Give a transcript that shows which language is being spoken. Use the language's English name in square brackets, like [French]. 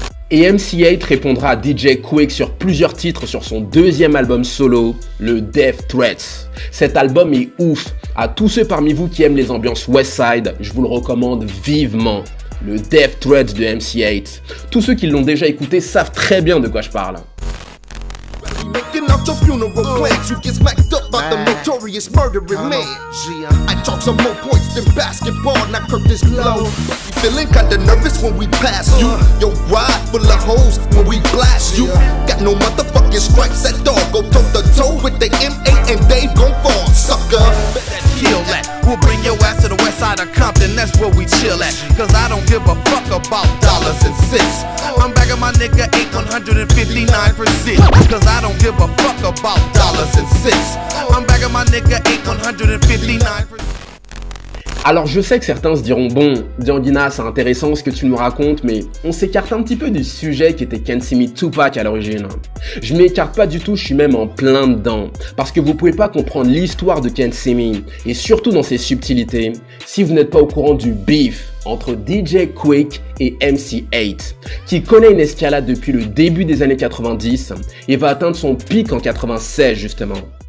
[French] Et MC8 répondra à DJ Quick sur plusieurs titres sur son deuxième album solo, le Death Threats. Cet album est ouf. À tous ceux parmi vous qui aiment les ambiances Westside, je vous le recommande vivement. le Death Threat de MC8. Tous ceux qui l'ont déjà écouté savent très bien de quoi je parle. [English] Your funeral plans, you get smacked up by the notorious murdering man. I talk some more points than basketball, now Curtis Blow. Feeling kinda nervous when we pass you. Your ride full of holes when we blast you. Got no motherfucking stripes at all. Go toe to toe with the MA and they gon' fall, sucker. Kill that, we'll bring your ass to the west side of Compton, that's where we chill at. Cause I don't give a fuck about dollars and cents. I'm bagging my nigga 8159%. Cause I don't give a fuck about dollars and cents. I'm bagging my nigga 8159%. [French] Alors je sais que certains se diront, bon, Diangina, c'est intéressant ce que tu nous racontes, mais on s'écarte un petit peu du sujet qui était Can't See Me Tupac à l'origine. Je m'écarte pas du tout, je suis même en plein dedans. Parce que vous pouvez pas comprendre l'histoire de Can't See Me, et surtout dans ses subtilités, si vous n'êtes pas au courant du beef entre DJ Quick et MC8, qui connaît une escalade depuis le début des années 90 et va atteindre son pic en 96 justement.